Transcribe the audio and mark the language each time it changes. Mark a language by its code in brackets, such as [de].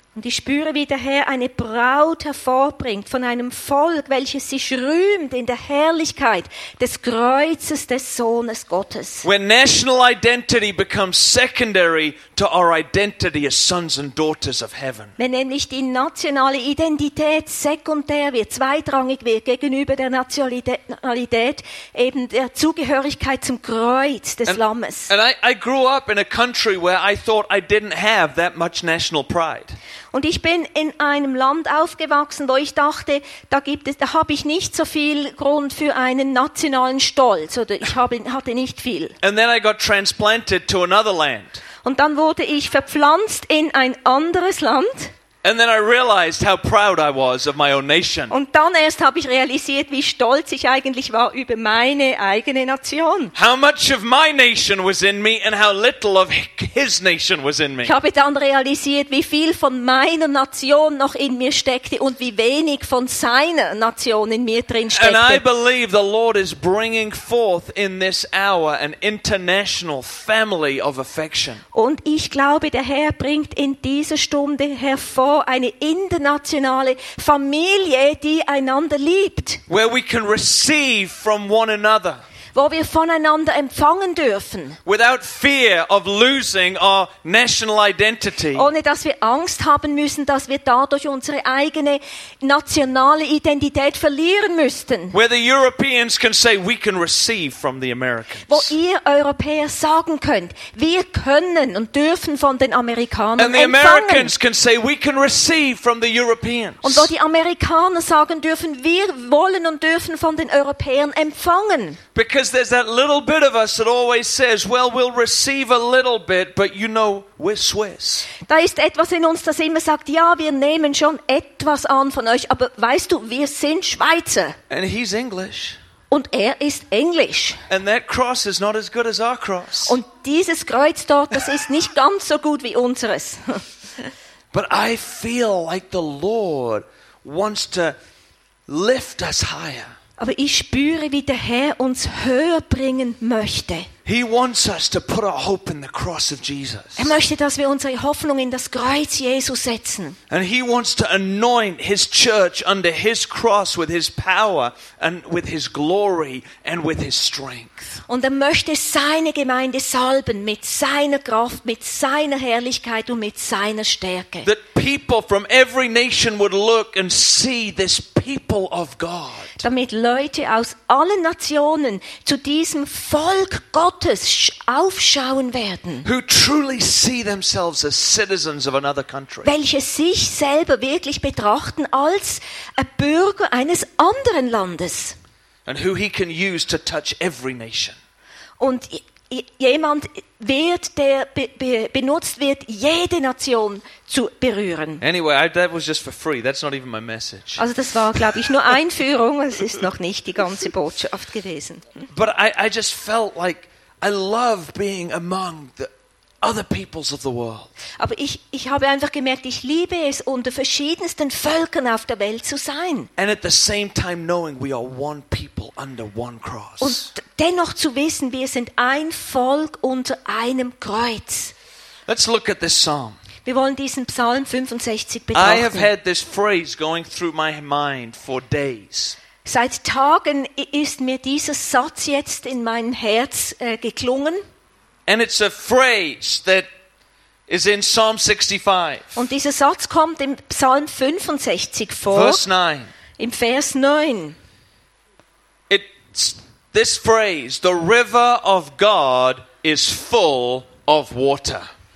[de] Und ich spüre, wie der Herr eine Braut hervorbringt von einem Volk, welches sich rühmt in der Herrlichkeit des Kreuzes des Sohnes Gottes. [en] When national identity becomes secondary to our identity as sons and daughters of heaven. [de] Wenn nämlich die nationale Identität sekundär wird, zweitrangig wird gegenüber der Nationalität, eben der Zugehörigkeit zum Kreuz des Lammes. [en] And I grew up in a country where I thought I didn't have that much national pride. [de] Und ich bin in einem Land aufgewachsen, wo ich dachte, da habe ich nicht so viel Grund für einen nationalen Stolz, oder hatte nicht viel. [en] And then I got transplanted to another land. [de] Und dann wurde ich verpflanzt in ein anderes Land. [en] And then I realized how proud I was of my own nation. [de] Und dann erst habe ich realisiert, wie stolz ich eigentlich war über meine eigene Nation. [en] How much of my nation was in me and how little of his nation was in me. [de] Ich habe dann realisiert, wie viel von meiner Nation noch in mir steckte und wie wenig von seiner Nation in mir drin steckte. [en] And I believe the Lord is bringing forth in this hour an international family of affection. [de] Und ich glaube, der Herr bringt in dieser Stunde vor eine internationale Familie, die einander liebt. [en] Where we can receive from one another. [de] wo wir voneinander empfangen dürfen. [en] Without fear of losing our national identity. [de] Ohne dass wir Angst haben müssen, dass wir dadurch unsere eigene nationale Identität verlieren müssten. [en] Where the Europeans can say we can receive from the Americans. [de] Wo ihr Europäer sagen könnt, wir können und dürfen von den Amerikanern empfangen. [en] And the Americans can say we can receive from the Europeans. [de] Und wo die Amerikaner sagen dürfen, wir wollen und dürfen von den Europäern empfangen. [en] Because there's that little bit of us that always says, well, we'll receive a little bit, but you know, we're Swiss. [de] Da ist etwas in uns, das immer sagt, ja, wir nehmen schon etwas an von euch, aber weißt du, wir sind Schweizer. [en] And he's English. [de] Und er ist Englisch. [en] And that cross is not as good as our cross. [de] Und dieses Kreuz dort, das ist nicht ganz so gut wie unseres. [en] But I feel like the Lord wants to lift us higher. [de] Aber ich spüre, wie der Herr uns höher bringen möchte. [en] He wants us to put our hope in the cross of Jesus. [de] Er möchte, dass wir unsere Hoffnung in das Kreuz Jesu setzen. [en] And he wants to anoint his church under his cross with his power and with his glory and with his strength. [de] Und er möchte seine Gemeinde salben mit seiner Kraft, mit seiner Herrlichkeit und mit seiner Stärke. [en] That people from every nation would look and see this people of God. [de] Damit Leute aus allen Nationen zu diesem Volk Gottes aufschauen werden. [en] Who truly see themselves as citizens of another country. [de] Welche sich selber wirklich betrachten als ein Bürger eines anderen Landes. [en] And who he can use to touch every nation. [de] Und jemand wird, der benutzt wird, jede Nation zu berühren. [en] Anyway, that was just for free. That's not even my message. [de] Also das war, glaube ich, nur Einführung. Es ist noch nicht die ganze Botschaft gewesen. [en] But I just felt like I love being among the other peoples of the world. [de] Aber ich habe einfach gemerkt, ich liebe es, unter verschiedensten Völkern auf der Welt zu sein. [en] And at the same time knowing we are one people under one cross. [de] Und dennoch zu wissen, wir sind ein Volk unter einem Kreuz. [en] Let's look at this psalm. [de] Wir wollen diesen Psalm 65 betrachten. [en] I have had this phrase going through my mind for days. [de] Seit Tagen ist mir dieser Satz jetzt in mein Herz geklungen. [en] And it's a phrase that is in Psalm 65. [de] Und dieser Satz kommt im Psalm 65 vor. [en] Verse 9. [de] Im Vers 9. [en] It's this phrase, the river of God is full of water.